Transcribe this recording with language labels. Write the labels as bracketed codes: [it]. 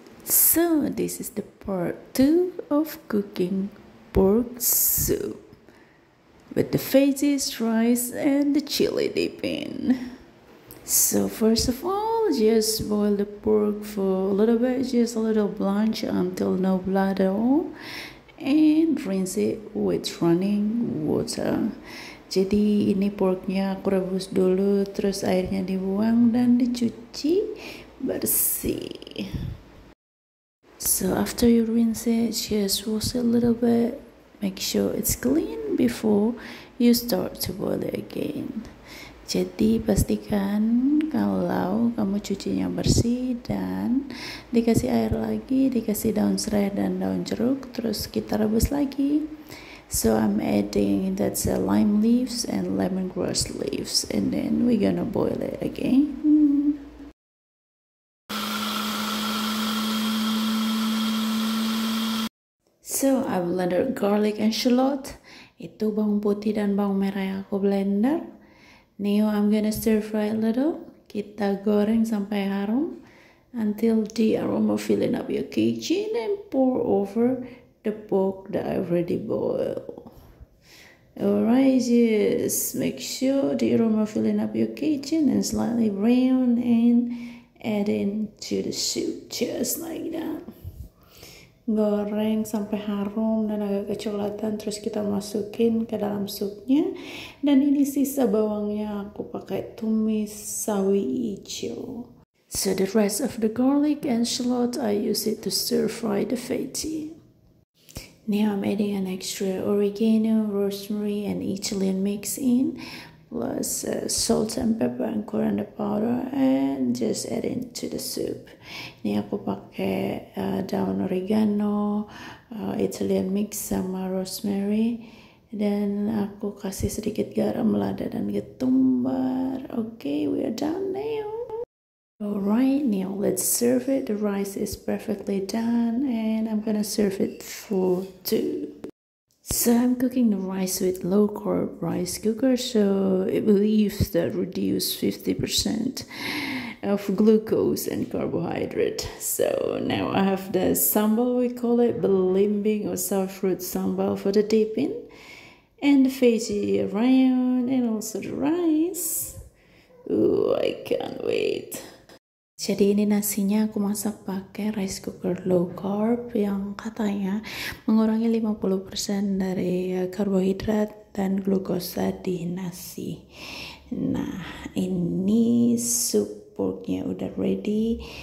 [en] So this is the part 2 of cooking pork soup with the veggies, rice and the chili dip in. So first of all, just boil the pork for a little bit, just a little blanch until no blood at all, and rinse it with running water. [id] Jadi ini porknya aku rebus dulu, terus airnya dibuang dan dicuci bersih. [en] So after you rinse it, just wash it a little bit, make sure it's clean before you start to boil it again. [id] Jadi pastikan kalau kamu cucinya bersih dan dikasih air lagi, dikasih daun serai dan daun jeruk, terus kita rebus lagi. [en] So I'm adding that's lime leaves and lemongrass leaves, and then we're gonna boil it again. So I blended garlic and shallot. [id] Itu bawang putih dan bawang merah yang aku blender. Now I'm gonna stir fry a little. Kita goreng sampai harum until the aroma filling up your kitchen, and pour over the pork that I already boiled. [en] Alright, just make sure the aroma filling up your kitchen and slightly brown, and add in to the soup just like that. [id] Goreng sampai harum dan agak kecoklatan, terus kita masukin ke dalam supnya. Dan ini sisa bawangnya aku pakai tumis sawi hijau. [en] So the rest of the garlic and shallot I use it to stir fry the veggie. Now I'm adding an extra oregano, rosemary and Italian mix in, plus salt and pepper and coriander powder, and just add it to the soup. [id] Ini aku pakai daun oregano, Italian mix sama rosemary, dan aku kasih sedikit garam lada dan ketumbar. [en] Okay, we are done now. Alright, now let's serve it. The rice is perfectly done and I'm gonna serve it for two. So I'm cooking the rice with low carb rice cooker, so it believes that reduce 50% of glucose and carbohydrate. So now I have the sambal, we call it belimbing or sour fruit sambal for the dipping, and the veggie around, and also the rice. Ooh, I can't wait. [id] Jadi ini nasinya aku masak pakai rice cooker low carb yang katanya mengurangi 50% dari karbohidrat dan glukosa di nasi. Nah, ini sup porknya udah ready.